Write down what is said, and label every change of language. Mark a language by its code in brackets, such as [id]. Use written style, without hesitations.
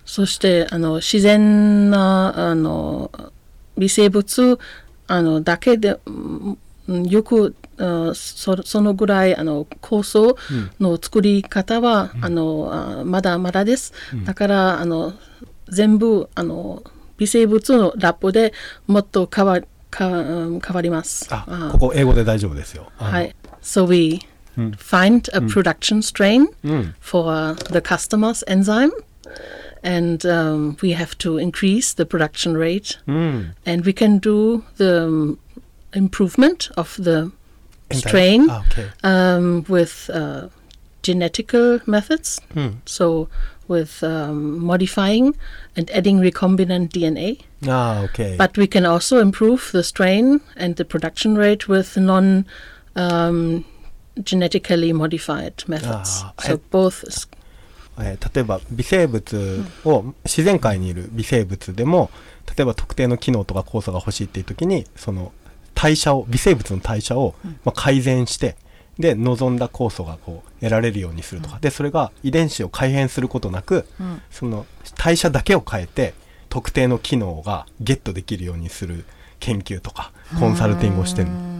[ja] そしてあの自然なあの微生物あのだけでよく そのぐらいあの酵素の作り方は、うん、あのまだまだです、うん、だからあの全部あの微生物のラップでもっと変わります。あ、ここ英語で大丈夫ですよ。はい、 [en] So we find a production strain for the customer's enzyme and we have to increase the production rate、うん、 and we can do theimprovement of the strain with genetical methods、うん、 so with modifying and adding recombinant DNA、 ah, okay. but we can also improve the strain and the production rate with non、genetically modified methods、ah, so both [ja] 例えば微生物を自然界にいる微生物でも、例えば特定の機能とか酵素が欲しいっていう時にその代謝を、微生物の代謝を、まあ、改善して、で望んだ酵素がこう得られるようにするとか、うん、でそれが遺伝子を改変することなく、うん、その代謝だけを変えて特定の機能がゲットできるようにする研究とかコンサルティングをしてるの。